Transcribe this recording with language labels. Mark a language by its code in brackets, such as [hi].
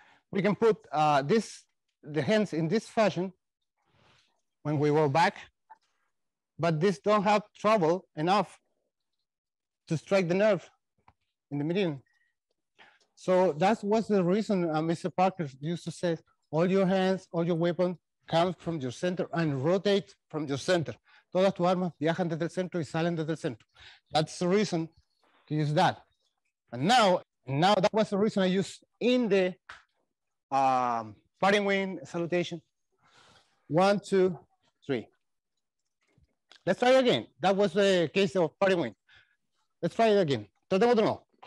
[en] We can put the hands in this fashion when we roll back, but this don't have trouble enough to strike the nerve in the meridian. So that was the reason Mr. Parker used to say, all your hands, all your weapon comes from your center and rotate from your center. [es] Todas tus armas viajan desde el centro y salen desde el centro. [en] That's the reason to use that. And now that was the reason I used in the parting wind salutation. 1, 2, 3. Let's try it again. That was the case of parting wind. Let's try it again. [es] Tratemos de nuevo.